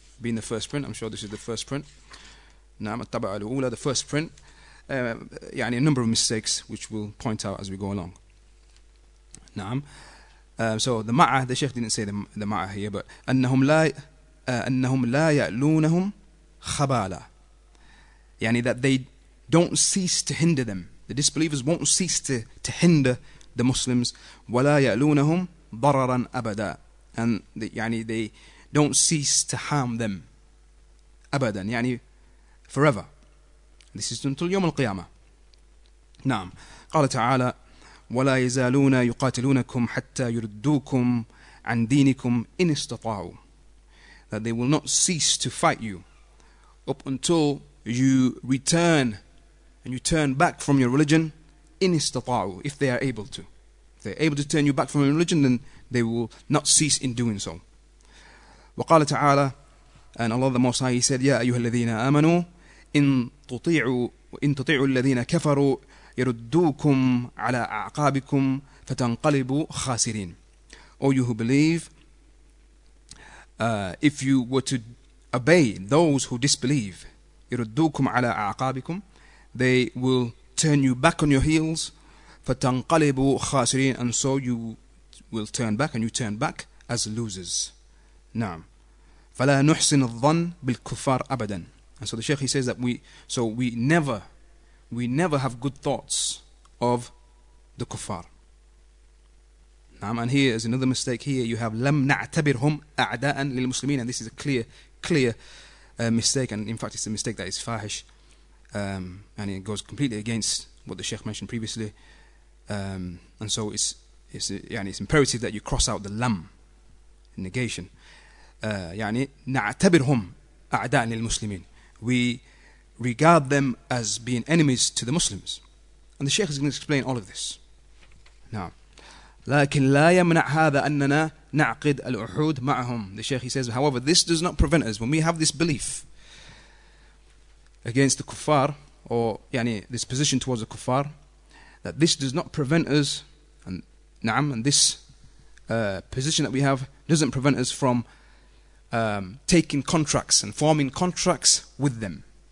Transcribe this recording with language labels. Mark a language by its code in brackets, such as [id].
[en] Being the first print, I'm sure this is the first print. [ar] نعم, الطبعة الأولى, [en] the first print. يعني a number of mistakes which we'll point out as we go along. نعم, so the ma'a, the Sheikh didn't say the ma'a here, but [ar] أنهم لا يألونهم خبالا, [en] يعني that they don't cease to hinder them. The disbelievers won't cease to hinder the Muslims. [ar] ولا يألونهم ضررا أبدا, [en] and يعني they don't cease to harm them أبدا, يعني forever. This is until يوم القيامة. [ar] نعم, قال تعالى ولا يزالون يقاتلونكم حتى يردوكم عن دينكم إن استطاعوا. [en] That they will not cease to fight you up until you return and you turn back from your religion. [ar] إن استطاعوا, [en] if they are able to. If they are able to turn you back from your religion, then they will not cease in doing so. [ar] وقال تعالى, [en] and Allah the Most High, he said, [ar] يا أيها الذين آمنوا إن تطيعوا الذين كفروا يردوكم على أعقابكم فتنقلبوا خاسرين. [en] O you who believe, if you were to obey those who disbelieve, [ar] يردوكم على أعقابكم, [en] they will turn you back on your heels, [ar] فتنقلبوا خاسرين, [en] and so you will turn back, and you turn back as losers. [ar] نعم, فلا نحسن الظن بالكفار أبدا. [en] And so the Shaykh, he says that we never have good thoughts of the kuffar. And here is another mistake. Here you have [ar] لم نعتبرهم أعداء للمسلمين, [en] and this is a clear mistake. And in fact, it's a mistake that is fahish, and it goes completely against what the Shaykh mentioned previously. And so it's imperative that you cross out the لم, negation. [ar] يعني نعتبرهم أعداء للمسلمين. [en] We regard them as being enemies to the Muslims. And the Shaykh is going to explain all of this. [ar] Now, لكن لا يمنع هذا أننا نعقد الأحود معهم. [en] The Shaykh, he says, however, this does not prevent us, when we have this belief against the kuffar, or يعني this position towards the kuffar, that this does not prevent us, and نعم, and this position that we have doesn't prevent us from taking contracts and forming contracts with them.